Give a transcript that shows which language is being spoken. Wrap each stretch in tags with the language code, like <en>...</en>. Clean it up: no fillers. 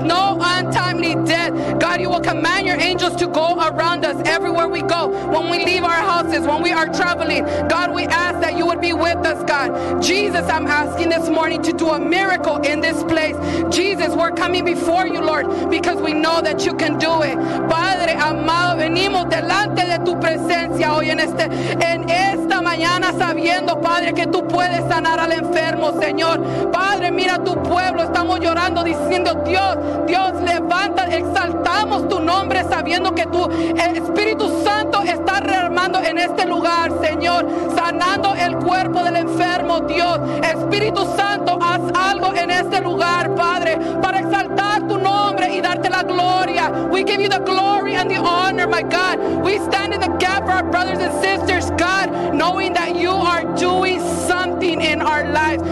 <en>No untimely death. God, you will command your angels to go around us everywhere we go. When we leave our houses, when we are traveling, God, we ask that you would be with us, God. Jesus, I'm asking this morning to do a miracle in this place. Jesus, we're coming before you, Lord, because we know that you can do it.</en> <es>Padre amado, venimos delante de tu presencia hoy en esta mañana sabiendo, Padre, que tú puedes sanar al enfermo, Señor. Padre, mira tu pueblo, estamos llorando diciendo, Dios, levanta, exaltamos tu nombre sabiendo que tu Espíritu Santo está rearmando en este lugar, Señor, sanando el cuerpo del enfermo, Dios. Espíritu Santo, haz algo en este lugar, Padre, para exaltar tu nombre y darte la gloria.</es> <en>We give you the glory and the honor, my God. We stand in the gap for our brothers and sisters, God, knowing that you are doing something in our lives.</en>